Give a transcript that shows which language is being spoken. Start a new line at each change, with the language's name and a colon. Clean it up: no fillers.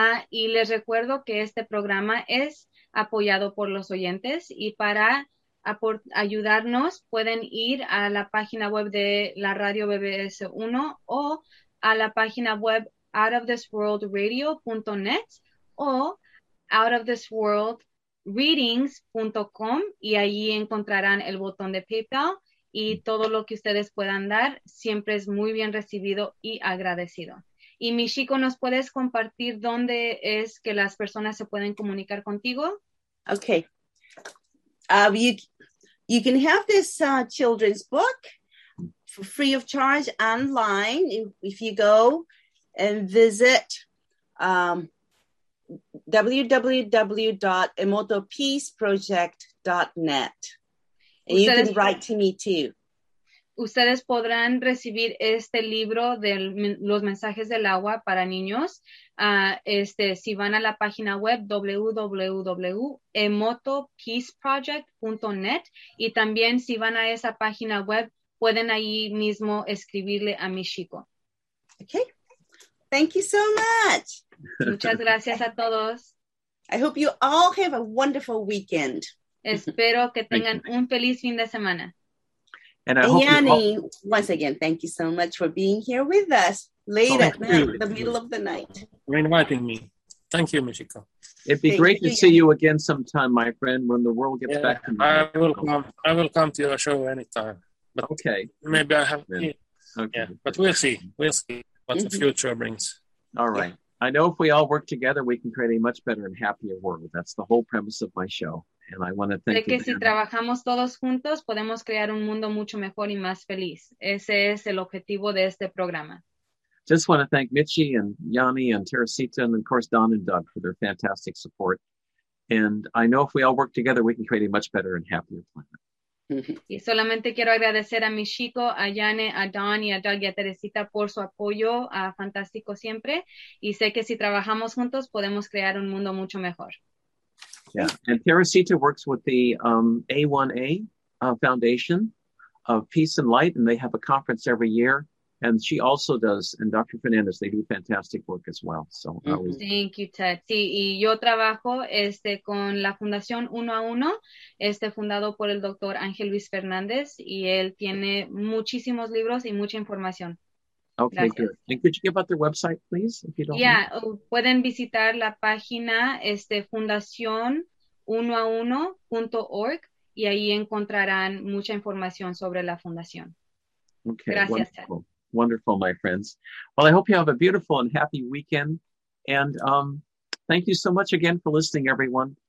Spanish: Y les recuerdo que este programa es apoyado por los oyentes, y para ayudarnos, pueden ir a la página web de la radio BBS1 o a la página web outofthisworldradio.net o outofthisworldreadings.com, y allí encontrarán el botón de PayPal, y todo lo que ustedes puedan dar siempre es muy bien recibido y agradecido. Y Michiko, ¿nos puedes compartir dónde es que las personas se pueden comunicar contigo?
English: Okay. You can have this children's book for free of charge online if you go and visit www.emotopeaceproject.net. And ustedes, you can write to me too.
Spanish: Ustedes podrán recibir este libro de los mensajes del agua para niños si van a la página web www.emotopeaceproject.net, y también si van a esa página web pueden ahí mismo escribirle a Michiko.
English: Okay, thank you so much.
Spanish: Muchas gracias a todos.
English: I hope you all have a wonderful weekend.
Spanish: Espero que tengan un feliz fin de semana.
English: And I hope Yanni, once again, thank you so much for being here with us late at night, the middle of the night. For inviting me. Thank you, Michiko. It'd be great to see you again sometime, my friend, when the world gets back to normal. I will come to your show anytime. But okay. Maybe I have. Okay. Yeah, but we'll see. We'll see what the future brings. All right. Yeah. I know if we all work together, we can create a much better and happier world. That's the whole premise of my show. And I want to thank you.
Spanish: De que si trabajamos todos juntos, podemos crear un mundo mucho mejor y más feliz. Ese es el objetivo de este programa.
English: Just want to thank Michi and Yanni and Teresita and, of course, Don and Doug for their fantastic support. And I know if we all work together, we can create a much better and happier planet.
Spanish: Y solamente quiero agradecer a Michiko, a Janne, a Don y a Doug y a Teresita por su apoyo a Fantástico Siempre. Y sé que si trabajamos juntos, podemos crear un mundo mucho mejor.
English: Yeah, and Teresita works with the A1A Foundation of Peace and Light, and they have a conference every year. And she also does, and Dr. Fernandez, they do fantastic work as well. So thank you, Ted.
Spanish: Sí, y yo trabajo con la Fundación Uno a Uno, fundado por el Dr. Ángel Luis Fernández, y él tiene muchísimos libros y mucha información.
English: Okay, gracias. Good. And could you give out their website, please, if you don't
Spanish: Yeah, pueden visitar la página fundacionunoauno.org y ahí encontrarán mucha información sobre la fundación.
English: Okay, gracias, wonderful. Ted. Wonderful, my friends. Well, I hope you have a beautiful and happy weekend. And thank you so much again for listening, everyone.